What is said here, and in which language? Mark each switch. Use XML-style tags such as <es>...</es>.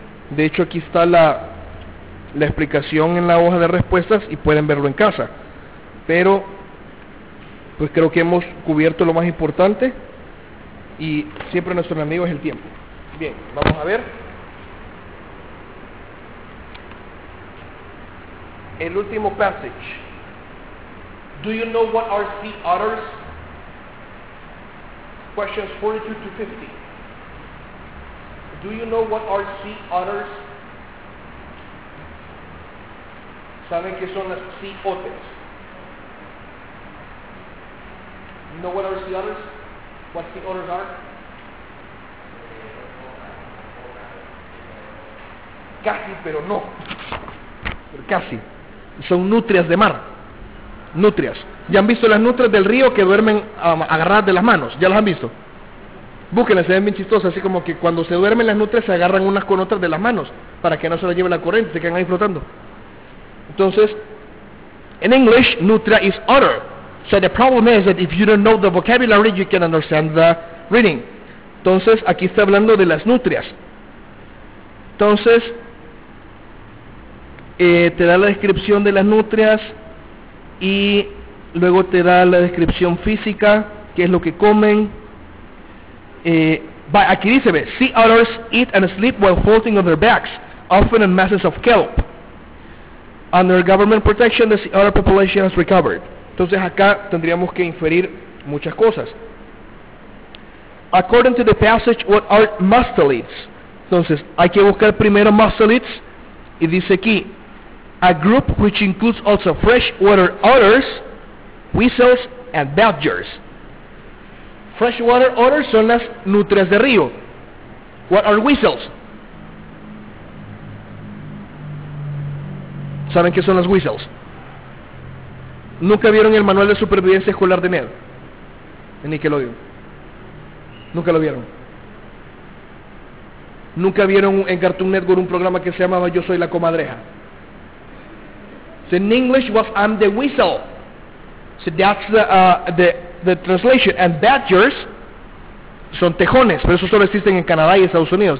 <es>De hecho aquí está la explicación en la hoja de respuestas y pueden verlo en casa, pero pues creo que hemos cubierto lo más importante y siempre nuestro enemigo es el tiempo. Bien, vamos a ver el último passage.</es> <en>Do you know what are sea otters? Questions 42 to 50. Do you know what are sea otters?</en> <es>¿Saben qué son las sea otters?</es> <en>You know what are sea otters? What sea otters are?</en> <es>Casi, pero no. Pero casi. Son nutrias de mar. Nutrias. ¿Ya han visto las nutrias del río que duermen agarradas de las manos? ¿Ya las han visto? Búsquenlas, se ven bien chistosas. Así como que cuando se duermen las nutrias se agarran unas con otras de las manos para que no se las lleve la corriente, se quedan ahí flotando. Entonces,</es> <en>in English, nutria is otter. So the problem is that if you don't know the vocabulary, you can understand the reading.</en> <es>Entonces, aquí está hablando de las nutrias. Entonces, te da la descripción de las nutrias y luego te da la descripción física, qué es lo que comen. Aquí dice, ve,</es> <en>sea otters eat and sleep while floating on their backs, often in masses of kelp. Under government protection, the sea otter population has recovered.</en> <es>Entonces acá tendríamos que inferir muchas cosas.</es> <en>According to the passage, what are mustelids?</en> <es>Entonces hay que buscar primero mustelids. Y dice aquí,</es> <en>a group which includes also freshwater otters, weasels, and badgers.</en> <es>Freshwater otters son las nutrias de río.</es> <en>What are weasels?</en> <es>¿Saben qué son las whistles? ¿Nunca vieron el manual de supervivencia escolar de Ned? En Nickelodeon. ¿Nunca lo vieron? ¿Nunca vieron en Cartoon Network un programa que se llamaba Yo Soy la Comadreja?</es> <en>In English was I'm the whistle. So that's the translation.</en> <es>And badgers son tejones, pero eso solo existen en Canadá y Estados Unidos.</es>